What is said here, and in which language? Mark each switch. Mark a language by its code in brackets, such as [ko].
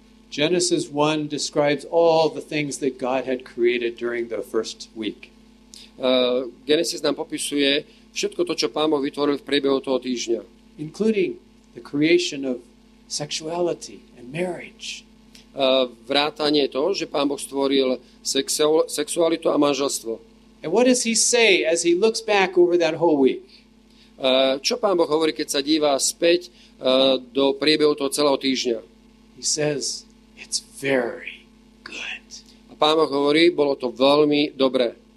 [en] Genesis 1 describes all the things that God had created during the first week. [sk] Genesis nám popisuje všetko to, čo Pán Boh vytvoril v priebehu toho týždňa. [en] Including the creation of sexuality and marriage. [sk] Vrátanie to, že Pán Boh stvoril sexualitu a manželstvo. [en] And what does he say as he looks back over that whole week? [sk] Čo Pán Boh hovorí, keď sa dívá späť do priebehu toho celého týždňa? [en] He says, it's very good. [sk] A Pán Boh hovorí, bolo to veľmi dobré.